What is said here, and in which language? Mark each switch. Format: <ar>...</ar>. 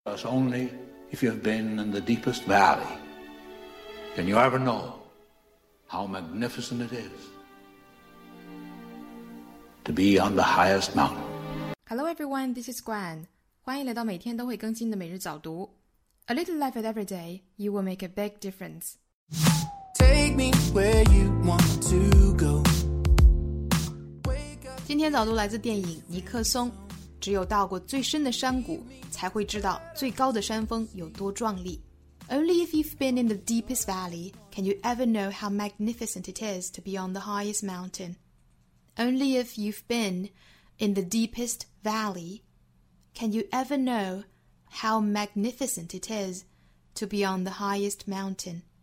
<en>us only if you've been in the deepest valley. Can you ever know how magnificent it is to be on the highest mountain? Hello everyone, this is Gwen.</en> <zh>欢迎来到每天都会更新的每日早读。</zh> <en>A little life at every day, you will make a big difference. Take me where you want to go.</en> <zh>今天早读来自电影《尼克松》。只有到过最深的山谷，才会知道最高的山峰有多壮丽。</zh> <en>Only if you've been in the deepest valley can you ever know how magnificent it is to be on the highest mountain. Only if you've been in the deepest valley can you ever know how magnificent it is to be on the highest mountain.</en>